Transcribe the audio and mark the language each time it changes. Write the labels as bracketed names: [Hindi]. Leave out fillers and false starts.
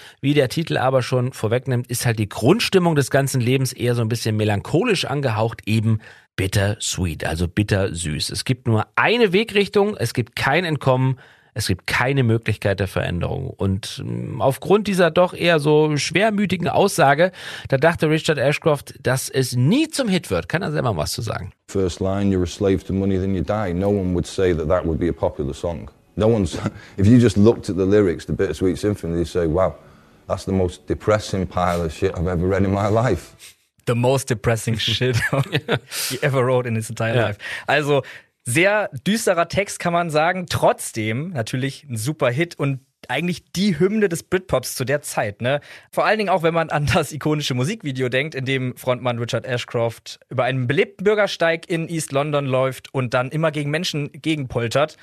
[German] Wie der Titel aber schon vorwegnimmt, ist halt die Grundstimmung des ganzen Lebens eher so ein bisschen melancholisch angehaucht, eben bittersweet, also bittersüß. Es gibt nur eine Wegrichtung, es gibt kein Entkommen, es gibt keine Möglichkeit der Veränderung. Und aufgrund dieser doch eher so schwermütigen Aussage, da dachte Richard Ashcroft, dass es nie zum Hit wird. Kann er selber was zu sagen? [English] First line, you're a slave to money, then you die. No one would say that that would be a popular song. No one's, if you just looked at the lyrics, the Bittersweet Symphony, you'd say, wow, that's the most depressing pile of shit I've ever read in my life. The most depressing shit he ever wrote in his entire life. [German] Also, sehr düsterer Text, kann man sagen. Trotzdem natürlich ein super Hit und eigentlich die Hymne des Britpops zu der Zeit, ne? Vor allen Dingen auch, wenn man an das ikonische Musikvideo denkt, in dem Frontmann Richard Ashcroft über einen belebten Bürgersteig in East London läuft und dann immer gegen Menschen gegenpoltert.